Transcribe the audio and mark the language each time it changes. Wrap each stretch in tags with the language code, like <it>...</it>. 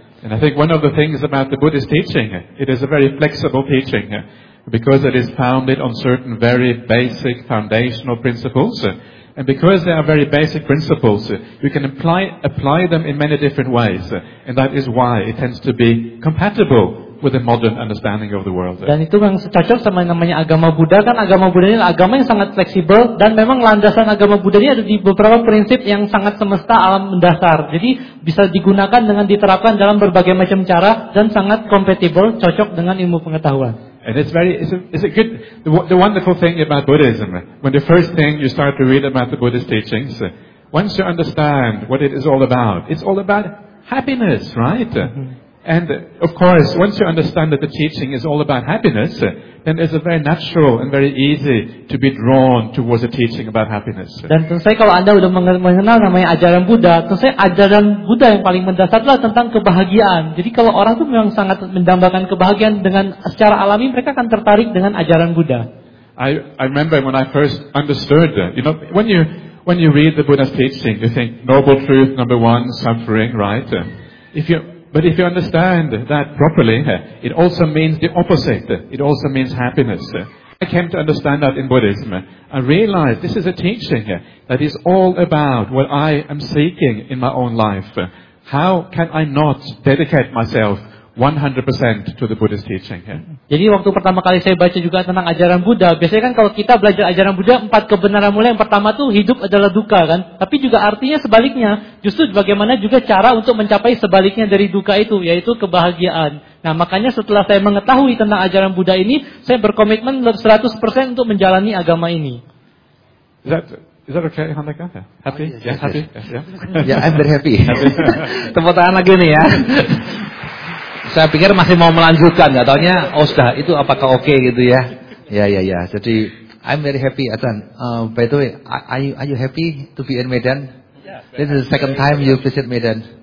<en>And I think one of the things about the Buddhist teaching, it is a very flexible teaching, because it is founded on certain very basic foundational principles. And because they are very basic principles, you can apply them in many different ways. And that is why it tends to be compatible with the modern understanding of the world.</en> <id>Dan itu memang cocok sama namanya agama Buddha kan. Agama Buddha ini agama yang sangat fleksibel dan memang landasan agama Buddha ini ada di beberapa prinsip yang sangat semesta alam mendasar. Jadi bisa digunakan dengan diterapkan dalam berbagai macam cara dan sangat compatible, cocok dengan ilmu pengetahuan.</id> <en>And it's a good the wonderful thing about Buddhism, when the first thing you start to read about the Buddhist teachings, once you understand what it is all about happiness, right? And of course, once you understand that the teaching is all about happiness, then it's a very natural and very easy to be drawn towards the teaching about happiness.</en> <id>Dan tentu saja kalau Anda sudah mengenal namanya ajaran Buddha, tentu saja ajaran Buddha yang paling mendasar adalah tentang kebahagiaan. Jadi kalau orang itu memang sangat mendambakan kebahagiaan dengan secara alami, mereka akan tertarik dengan ajaran Buddha.</id> <en>I remember when I first understood that, you know, when you read the Buddha's teaching, you think noble truth number one, suffering, right? But if you understand that properly, it also means the opposite. It also means happiness. I came to understand that in Buddhism. I realized this is a teaching that is all about what I am seeking in my own life. How can I not dedicate myself 100% to the Buddhist teaching?</en> <id>Jadi waktu pertama kali saya baca juga tentang ajaran Buddha, biasanya kan kalau kita belajar ajaran Buddha, empat kebenaran mulai yang pertama tuh hidup adalah duka kan. Tapi juga artinya sebaliknya, justru bagaimana juga cara untuk mencapai sebaliknya dari duka itu, yaitu kebahagiaan. Nah makanya setelah saya mengetahui tentang ajaran Buddha ini, saya berkomitmen 100% untuk menjalani agama ini.</id> <en>Is that okay, Hanneke? Happy? Yeah, I'm very happy.</en> <id>Tepuk tangan lagi nih ya. Saya pikir masih mau melanjutkan, nggak taunya, oh sudah, itu apakah oke okay, gitu ya? Ya. Jadi,</id> <en>I'm very happy, Adan. By the way, are you happy to be in Medan? Yeah, this is the second time you visit Medan.</en>